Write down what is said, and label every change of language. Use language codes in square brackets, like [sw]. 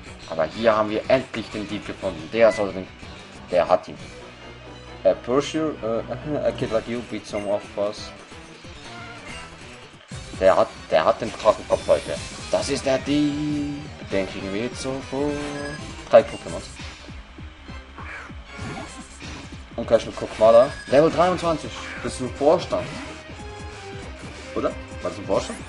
[de] Aber hier haben wir endlich den Dieb gefunden. Der soll den. Der hat ihn. [en] A kid like you beat some of us. [de] Der hat den Drachenkopf, Leute. Das ist der Dieb. Den kriegen wir jetzt sofort. Drei Pokémon. Und gleich mit Guck mal da. Level 23. Das ist ein Vorstand. Oder? War das ein Vorstand?